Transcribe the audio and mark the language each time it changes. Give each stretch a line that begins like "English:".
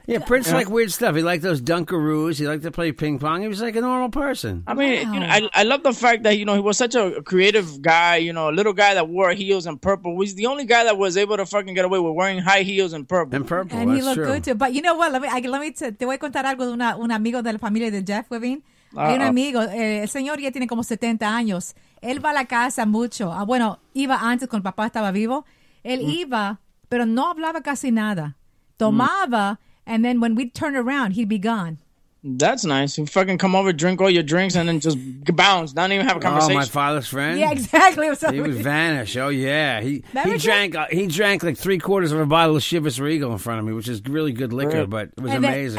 English: Yeah, Prince liked weird stuff. He liked those dunkaroos. He liked to play ping pong. He was like a normal person. I mean, you know, I love the fact that, you know, he was such a creative guy, you know, a little guy that wore heels and purple. He's the only guy that was able to fucking get away with wearing high heels and purple. And purple, and that's he looked true. Good, too. But you know what?
Spanish: Te voy a contar algo de un amigo de la familia de Jeff Webin. Un amigo. El señor ya tiene como 70 años. Él va a la casa mucho. Bueno, iba antes cuando papá estaba vivo. Él iba, pero no hablaba casi nada. Tomaba,
English: and then when we'd turn around, he'd be gone. That's nice. You fucking come over, drink all your drinks, and then just bounce. Not even have a conversation. Oh, my father's friend? Yeah, exactly. He would vanish. Oh, yeah. He drank like 3/4 of a bottle of Chivas Regal in front of me, which is really good liquor, but it was amazing.